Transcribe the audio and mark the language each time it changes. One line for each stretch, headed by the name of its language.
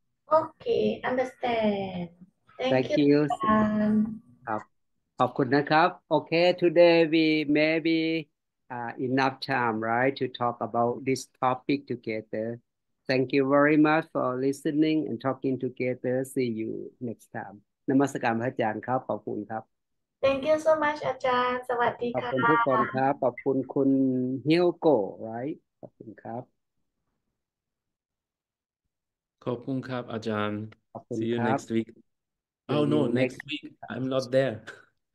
English: Okay, understand. Thank you. Thank you. Okay, today we maybe enough time, right, to talk about this topic together. Thank you very much for listening and talking together. See you next time.
Thai: Namaskar, พระอาจารย์ครับขอบคุณครับ
English: Thank you so much, อาจารย์
Thai: สวัสดีค่ะ ขอบคุณทุกคนครับขอบคุณคุณเฮียวโก้ right ขอบคุณครับ ขอบคุณครับอาจารย์ ขอบคุณ
English: See you
Thai: ครับ
English: next week. Oh no, next week I'm not there.